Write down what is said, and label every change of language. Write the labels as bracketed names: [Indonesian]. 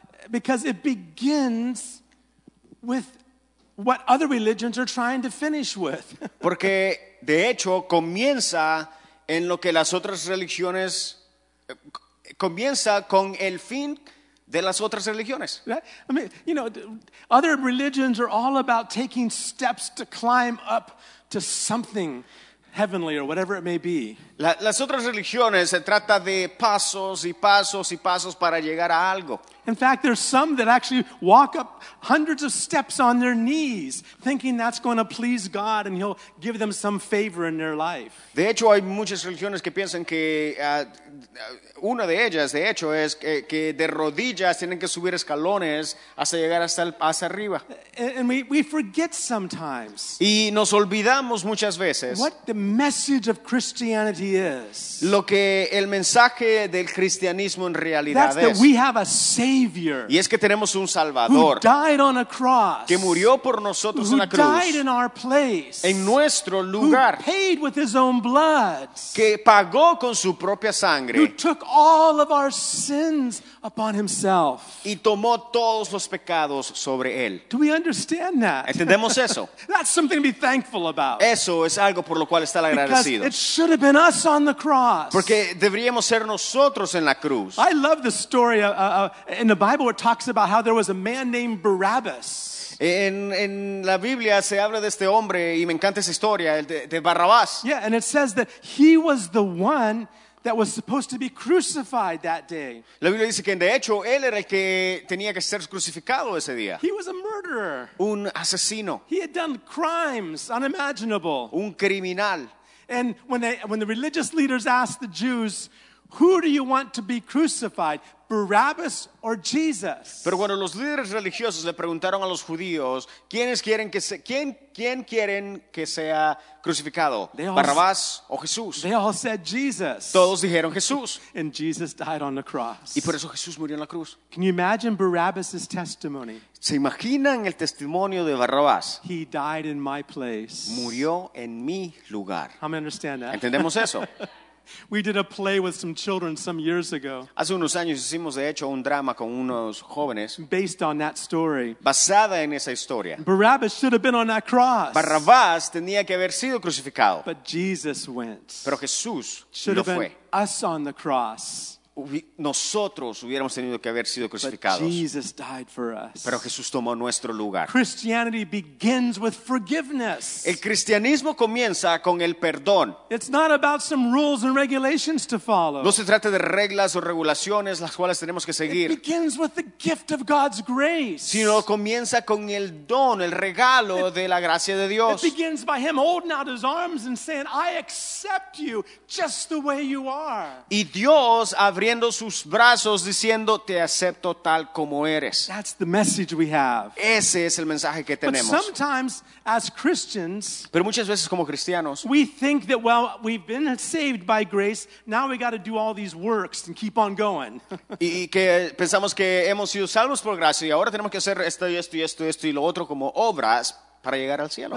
[English] Because it begins with what other religions are trying to finish with. [Spanish] Porque de hecho comienza en lo que las otras religiones comienza con el fin de las otras religiones. [English] I mean, you know, other religions are all about taking steps to climb up to something heavenly or whatever it may be. [Spanish] Las otras religiones se trata de pasos y pasos y pasos para llegar a algo. [English] In fact, there's some that actually walk up hundreds of steps on their knees, thinking that's going to please God and He'll give them some favor in their life. [Spanish] De hecho, hay muchas religiones que piensan que una de ellas, de hecho, es que de rodillas tienen que subir escalones hasta llegar hasta arriba. [English] And we forget sometimes. [Spanish] Y nos olvidamos muchas veces. [English] What the message of Christianity. [Spanish] Lo que el mensaje del cristianismo en realidad [English] es. That we have a savior. [Spanish] Y es que tenemos un Salvador. [English] Who died on a cross. [Spanish] Que murió por nosotros en la cruz. [English] Who died in our place. [Spanish] En nuestro lugar. [English] Who paid with his own blood. [Spanish] Que pagó con su propia sangre. [English] Who took all of our sins upon himself. [Spanish] Y tomó todos los pecados sobre él. [English] Do we understand that? [Spanish] ¿Entendemos eso? [English] That's something to be thankful about. [Spanish] Eso es algo por lo cual estar agradecido. [English] Been us on the cross. [Spanish] Porque deberíamos ser nosotros en la cruz. [English] I love the story in the Bible where it talks about how there was a man named Barabbas. [Spanish] En la Biblia se habla de este hombre y me encanta esa historia, el de Barrabás. [English] Yeah, and it says that he was the one that was supposed to be crucified that day. [Spanish] La Biblia dice que de hecho él era el que tenía que ser crucificado ese día. [English] He was a murderer. [Spanish] Un asesino. [English] He had done crimes unimaginable. [Spanish] Un criminal. [English] And when the religious leaders asked the Jews, who do you want to be crucified, Barabbas or Jesus? [Spanish] Pero cuando los líderes religiosos le preguntaron a los judíos, ¿quién quieren que sea crucificado, Barrabás o Jesús? [English] They all said Jesus. [Spanish] Todos dijeron Jesús. [English] And Jesus died on the cross. [Spanish] Y por eso Jesús murió en la cruz. [English] Can you imagine Barabbas' testimony? [Spanish] ¿Se imaginan el testimonio de Barrabás? [English] He died in my place. [Spanish] Murió en mi lugar. [English] How many understand that? [Spanish] ¿Entendemos eso? [English] We did a play with some children some years ago. [Spanish] Hace unos años hicimos de hecho un drama con unos jóvenes. [English] Based on that story. [Spanish] Basada en esa historia. [English] Barabbas should have been on that cross. [Spanish] Barrabás tenía que haber sido crucificado. [English] But Jesus went. [Spanish] Pero Jesús lo fue. [English] Should have been us on the cross. [Spanish] Nosotros hubiéramos tenido que haber sido crucificados. [English] But Jesus died for us. [Spanish] Pero Jesús tomó nuestro lugar. [English] Christianity begins with forgiveness. [Spanish] El cristianismo comienza con el perdón. [English] It's not about some rules and regulations to follow. [Spanish] No se trata de reglas o regulaciones las cuales tenemos que seguir. [English] It begins with the gift of God's grace. [Spanish] Sino comienza con el don, el regalo de la gracia de Dios. [English] It begins by Him holding out His arms and saying, "I accept you just the way you are." [Spanish] Y Dios abriendo sus brazos diciendo te acepto tal como eres. [English] That's the message we have. [Spanish] Ese es el mensaje que tenemos. [English] But sometimes as Christians, [Spanish] pero muchas veces como cristianos, [English] we think that well we've been saved by grace, now we got to do all these works and keep on going. [Spanish] Y que pensamos que hemos sido salvos por gracia y ahora tenemos que hacer esto y esto y esto y esto y lo otro como obras para llegar al cielo.